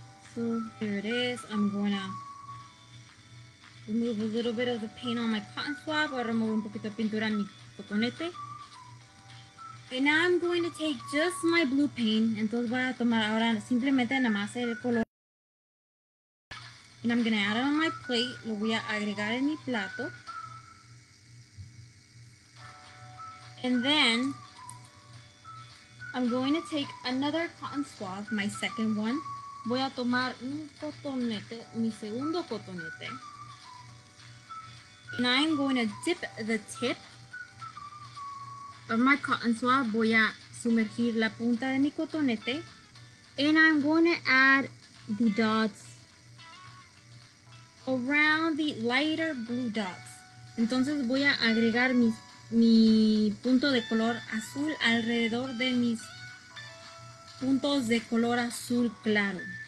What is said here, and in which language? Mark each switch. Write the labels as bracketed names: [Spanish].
[English] So here it is. I'm going to remove a little bit of the paint on my cotton swab. [Spanish] Voy a remover un poquito de pintura en mi cotonete. [English] And now I'm going to take just my blue paint. [Spanish] Entonces voy a tomar ahora simplemente nada más el color. [English] And I'm going to add it on my plate. [Spanish] Lo voy a agregar en mi plato. [English] And then I'm going to take another cotton swab, my second one. [Spanish] Voy a tomar un cotonete, mi segundo cotonete. [English] And I'm going to dip the tip of my cotton swab. [Spanish] Voy a sumergir la punta de mi cotonete. [English] And I'm going to add the dots around the lighter blue dots. [Spanish] Entonces voy a agregar mi punto de color azul alrededor de mis puntos de color azul claro.